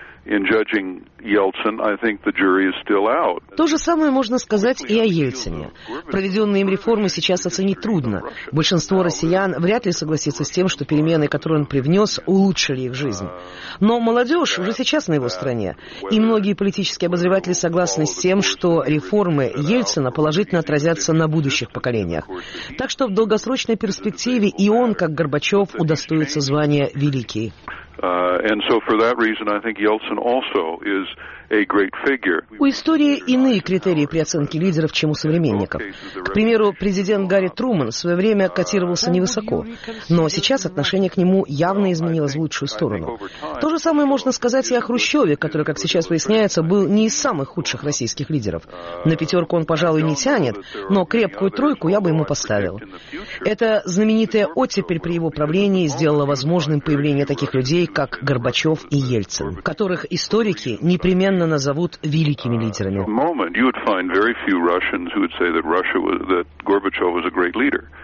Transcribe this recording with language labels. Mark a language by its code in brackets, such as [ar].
[en] In judging Yeltsin, I think the jury is still out. [ru] То же самое можно сказать и о Ельцине. Проведенные им реформы сейчас оценить трудно. Большинство россиян вряд ли согласится с тем, что перемены, которые он привнес, улучшили их жизнь. Но молодежь уже сейчас на его стороне. И многие политические обозреватели согласны с тем, что реформы Ельцина положительно отразятся на будущих поколениях. Так что в долгосрочной перспективе и он, как Горбачев, удостоится звания «Великий». [en] And so for that reason, I think Yeltsin also is a great figure. [ru] У истории иные критерии при оценке лидеров, чем у современников. К примеру, президент Гарри Трумэн в свое время котировался невысоко, но сейчас отношение к нему явно изменилось в лучшую сторону. То же самое можно сказать и о Хрущеве, который, как сейчас выясняется, был не из самых худших российских лидеров. На пятерку он, пожалуй, не тянет, но крепкую тройку я бы ему поставил. Эта знаменитая оттепель при его правлении сделала возможным появление таких людей, как Горбачев и Ельцин, которых историки непременно назовут великими лидерами. [en] Moment, you would find very few Russians who would say that Russia was, that Gorbachev was a great leader.